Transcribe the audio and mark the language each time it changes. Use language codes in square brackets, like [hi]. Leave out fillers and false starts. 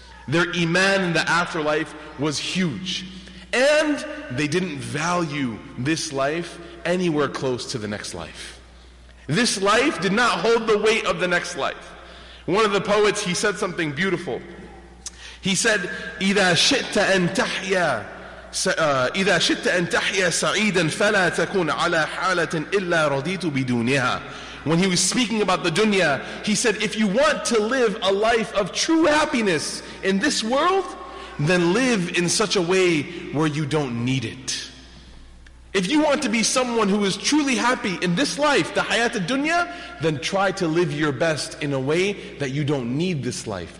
[en] Their iman in the afterlife was huge. And they didn't value this life anywhere close to the next life. This life did not hold the weight of the next life. One of the poets, he said something beautiful. He said, [ar] إِذَا شِئْتَ أَن تَحْيَا إذا شئت أن تحيا سعيدا فلا تكون على حالة إلا رضيت بدونها. [en] When he was speaking about the dunya, he said, if you want to live a life of true happiness in this world, then live in such a way where you don't need it. If you want to be someone who is truly happy in this life, the hayat al-dunya, then try to live your best in a way that you don't need this life.